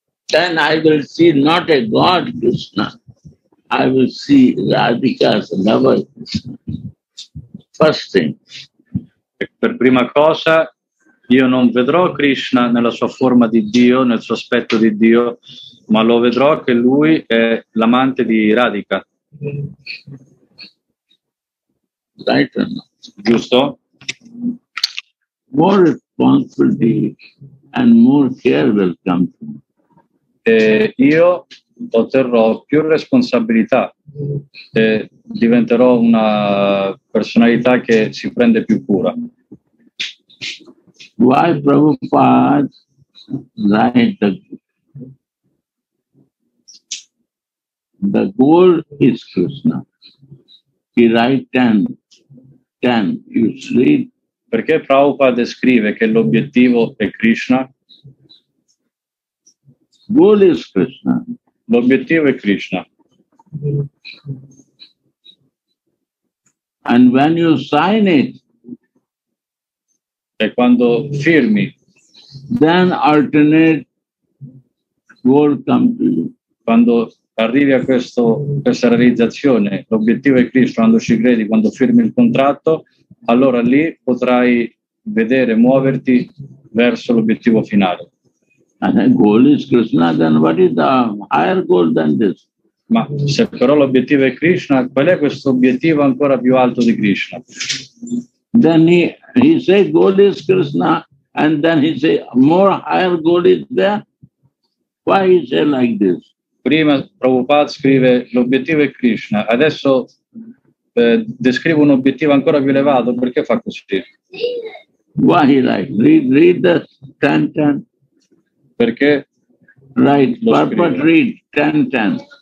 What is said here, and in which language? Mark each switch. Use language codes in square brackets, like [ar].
[en] Then I will see not a god Krishna, I will see Radhika's lover Krishna. First thing. [it] Per prima cosa, io non vedrò Krishna nella sua forma di Dio, nel suo aspetto di Dio, ma lo vedrò che lui è l'amante di Radhika. [en] Right. [it] Giusto? [en] More responsibility and more care will come to me. [it] Io otterrò più responsabilità, diventerò una personalità che si prende più cura. [en] Why Prabhupada write the goal is Krishna. He write 10, you read. [it] Perché Prabhupada scrive che l'obiettivo è Krishna? [en] Goal is Krishna. [it] L'obiettivo è Krishna. [en] And when you sign it, [it] e quando firmi, [en] then alternate goal come to you. [it] Quando arrivi a questa realizzazione, l'obiettivo è Krishna, quando ci credi, quando firmi il contratto, allora lì potrai vedere, muoverti verso l'obiettivo finale. [en] And the goal is Krishna, then what is the higher goal than this? [it] Ma se però l'obiettivo è Krishna, qual è questo obiettivo ancora più alto di Krishna? [en] Then he say goal is Krishna, and then he say more higher goal is there. Why he say like this? [it] Prima Prabhupada scrive l'obiettivo è Krishna, adesso descrive un obiettivo ancora più elevato, perché fa così? [en] Why he like? Read the 10-10. [it] Perché? [en] Right, Prabhupada read 10-10.